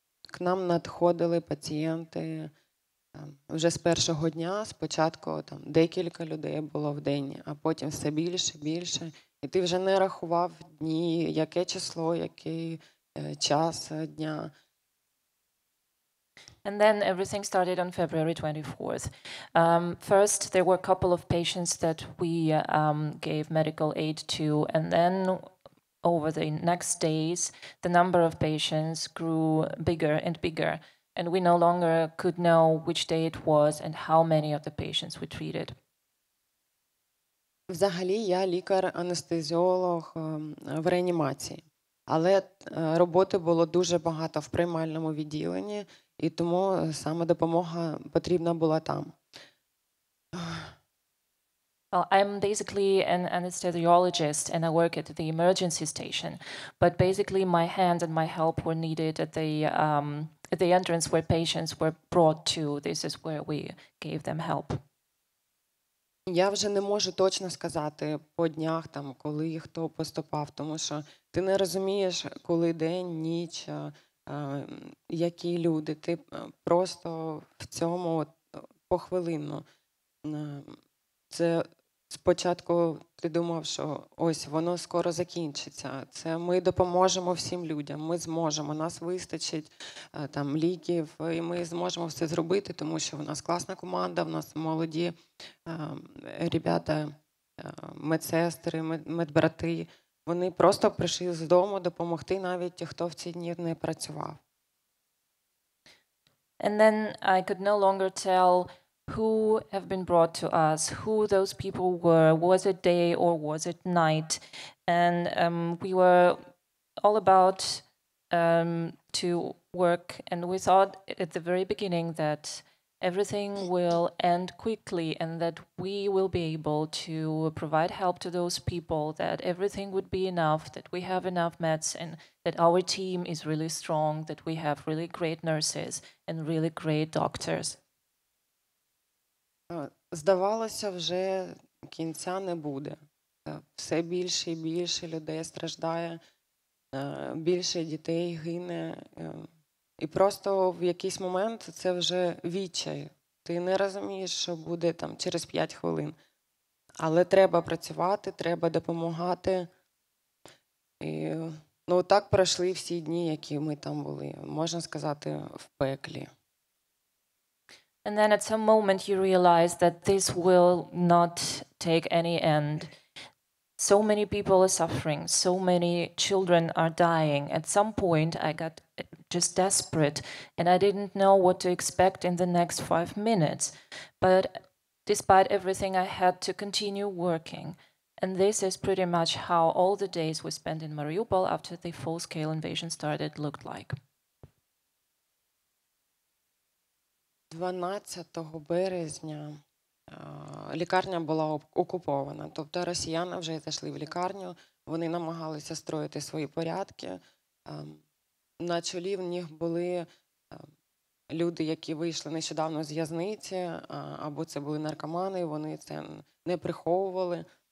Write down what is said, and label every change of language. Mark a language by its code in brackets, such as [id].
[uk] К нам надходили пацієнти вже з першого дня, спочатку там декілька людей було в день, а потім все більше, більше. І ти вже не рахував дні, яке число, який час дня. [en] And then everything started on February 24th. First, there were a couple of patients that we gave medical aid to, and then over the next days, the number of patients grew bigger and bigger, and we no longer could know which day it was and how many of the patients we treated. [uk] Взагалі, я лікар-анестезіолог в реанімації, але роботи було дуже багато в приймальному відділенні. І тому саме допомога потрібна була там. [en] Well, I'm basically an anesthesiologist and I work at the emergency station, but basically my hand and my help were needed at the entrance where patients were brought to. This is where we gave them help. [uk] Я вже не можу точно сказати по днях там, коли хто поступав, тому що ти не розумієш, коли день, ніч, які люди, ти просто в цьому похвилинно. Це спочатку ти думав, що ось воно скоро закінчиться. Це ми допоможемо всім людям, ми зможемо, нас вистачить там ліків, і ми зможемо все зробити, тому що в нас класна команда, в нас молоді ребята, медсестри, медбрати. Вони просто прийшли з дому допомогти навіть хто в ці дні не працював. [en] And then I could no longer tell who have been brought to us, who those people were, was it day or was it night. And we were all about to work, and we thought at the very beginning that everything will end quickly and that we will be able to provide help to those people, that everything would be enough, that we have enough meds and that our team is really strong, that we have really great nurses and really great doctors. [uk] Здавалося, вже кінця не буде. Все більше і більше людей страждає, більше дітей гине. І просто в якийсь момент це вже відчай. Ти не розумієш, що буде там через 5 хвилин. Але треба працювати, треба допомагати. І, ну, так пройшли всі дні, які ми там були. Можна сказати, в пеклі. [en] And then at some moment you realize that this will not take any end. So many people are suffering, so many children are dying. At some point I got just desperate and I didn't know what to expect in the next 5 minutes. But despite everything, I had to continue working. And this is pretty much how all the days we spent in Mariupol after the full-scale invasion started looked like. [uk] 12 березня лікарня була окупована, тобто росіяни вже зайшли в лікарню, вони намагалися строїти свої порядки. На чолі в них були люди, які вийшли нещодавно з в'язниці, або це були наркомани, вони це не приховували.